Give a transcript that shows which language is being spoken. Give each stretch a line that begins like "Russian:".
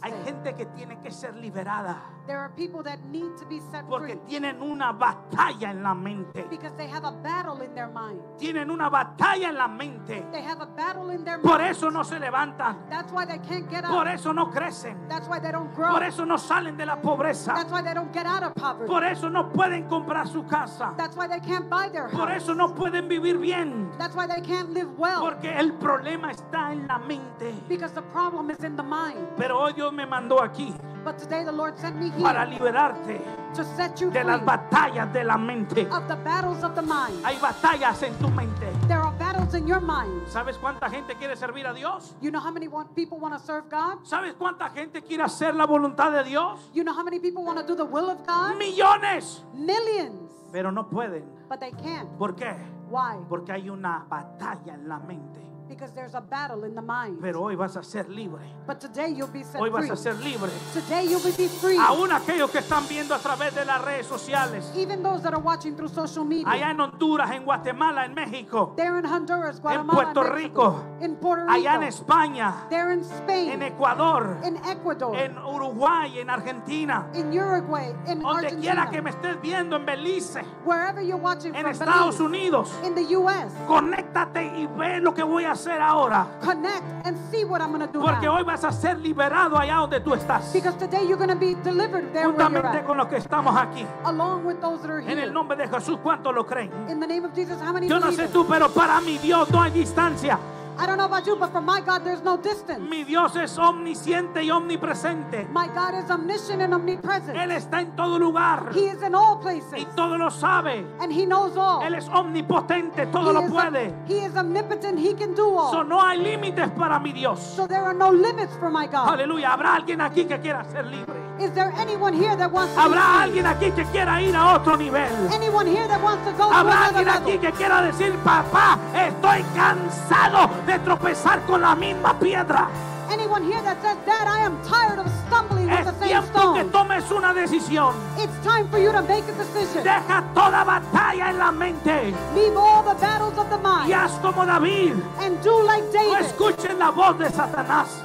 English: day.
Spanish: Hay gente que tiene que ser liberada.
English: There are people that need to be set free.
Spanish: Porque tienen una batalla en la mente.
English: Because they have a battle in their mind.
Spanish: Tienen una batalla en la mente.
English: They have a battle in their mind.
Spanish: Por eso no se levantan.
English: That's why they can't get up.
Spanish: Por eso no crecen.
English: That's why they don't grow.
Spanish: Por eso no salen de la pobreza.
English: That's why they don't get out of poverty.
Spanish: Por eso no pueden comprar su casa.
English: That's why they can't buy their house.
Spanish: Por eso no pueden vivir bien.
English: That's why they can't live well.
Spanish: Porque el problema está en la mente.
English: Because the problem is in the mind.
Spanish: Pero hoy Dios me mandó aquí.
English: But today the Lord sent me here
Spanish: para liberarte
English: to set you
Spanish: de las batallas de la mente.
English: Of the battles of the mind.
Spanish: Hay batallas en tu mente.
English: There are battles in your mind.
Spanish: ¿Sabes cuánta gente quiere servir a Dios?
English: You know how many people want to serve God?
Spanish: ¿Sabes cuánta gente quiere hacer la voluntad de Dios?
English: You know how many people want to do the will of God?
Spanish: Millones.
English: Millions.
Spanish: Pero no pueden.
English: But they can't.
Spanish: ¿Por qué?
English: Why?
Spanish: Porque hay una batalla en la mente.
English: Because there's a battle in the mind.
Spanish: Pero hoy vas a ser libre.
English: But today you'll be set free.
Spanish: Hoy vas a ser libre.
English: Today you will be free.
Spanish: Aún aquellos que están viendo a través de las redes sociales.
English: Even those that are watching through social media.
Spanish: Allá en Honduras, en Guatemala, en México.
English: There in Honduras, Guatemala,
Spanish: en Puerto Rico.
English: In Puerto Rico.
Spanish: Allá en España.
English: There in Spain.
Spanish: En Ecuador.
English: In Ecuador.
Spanish: En Uruguay, en Argentina.
English: In Uruguay, in Argentina.
Spanish: Donde quiera que me estés viendo, en Belice.
English: Wherever you're watching
Spanish: en
English: from
Spanish: Estados
English: Belize.
Spanish: Unidos.
English: In the U.S.
Spanish: Conéctate y ve lo que voy a hacer. hacer ahora.
English: Connect and see what I'm going to do.
Spanish: Porque
English: now.
Spanish: Hoy vas a ser liberado allá donde tú estás.
English: Because today you're going to be delivered there
Spanish: juntamente
English: where you're at.
Spanish: Con los que estamos aquí.
English: Along with those that are here.
Spanish: En el nombre de Jesús, ¿cuántos lo creen?
English: In the name of Jesus, how many
Spanish: yo no sé tú, pero para mi Dios no hay distancia.
English: I don't know about you, but for my God, there's no distance.
Spanish: Mi Dios es omnisciente y omnipresente.
English: My God is omniscient and omnipresent.
Spanish: Él está en todo lugar.
English: He is in all places.
Spanish: Y todo lo sabe.
English: And he knows all.
Spanish: Él es omnipotente, todo lo puede.
English: He is omnipotent, he can do all.
Spanish: So no hay límites para mi Dios.
English: So there are no limits for my God.
Spanish: Aleluya. ¿Habrá alguien aquí que quiera ser libre?
English: Is there anyone here that wants to
Spanish: ¿habrá alguien aquí que quiera ir a otro nivel?
English: Anyone here that wants to go to another level?
Spanish: ¿Habrá alguien aquí que quiera decir, papá, estoy cansado de tropezar con la misma piedra?
English: Anyone here that says, Dad, I am tired of stumbling with the same stone.
Spanish: Es tiempo que tomes una decisión.
English: It's time for you to make a decision.
Spanish: Deja toda batalla en la mente.
English: Leave all the battles of the mind.
Spanish: Y haz como David.
English: And do like David.
Spanish: No escuchen la voz de Satanás.